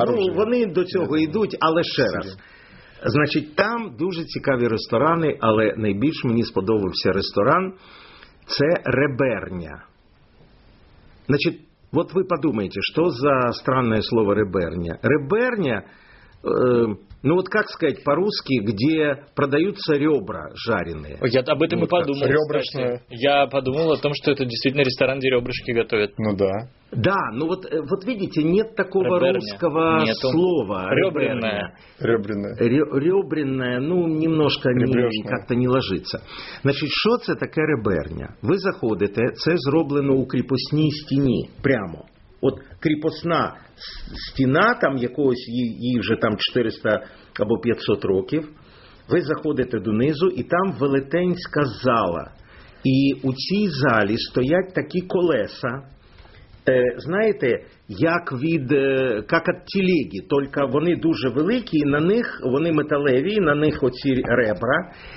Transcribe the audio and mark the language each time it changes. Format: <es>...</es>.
<uk>Ну, вони до цього йдуть, але ще раз. Значить, там дуже цікаві ресторани, але найбільш мені сподобався ресторан. Це «Реберня». Значить, от ви подумайте, що за странне слово «Реберня»? «Реберня»...</uk> <ru>Ну вот как сказать по-русски, где продаются ребра жареные? Я об этом и подумал. Ребрышные. Я подумал о том, что это действительно ресторан, где ребрышки готовят. Ну да. Да, ну вот видите, нет такого Реберня. Русского нету. Слова. Ребренная. Ребренная, ну немножко как-то не ложится. Значит, что это такое реберня? Вы заходите, это сделано у крепостной стены, прямо.</ru> <uk>От кріпосна стіна, там якогось її вже там 400 або 500 років, ви заходите донизу, і там велетенська зала. І у цій залі стоять такі колеса, знаєте, як від, як от телеги, тільки вони дуже великі, і на них, вони металеві, і на них оці ребра.</uk>